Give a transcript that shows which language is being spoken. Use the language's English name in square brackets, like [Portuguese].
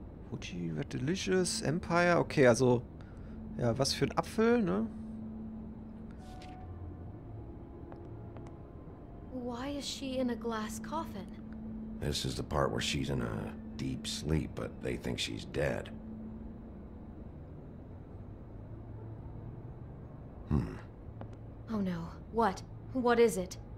[English] Would you have a delicious empire? [German] Okay, also ja, was für ein Apfel, ne? [English] Why is she in a glass coffin? This is the part where she's in a deep sleep, but they think she's dead. Oh no. What? What is it?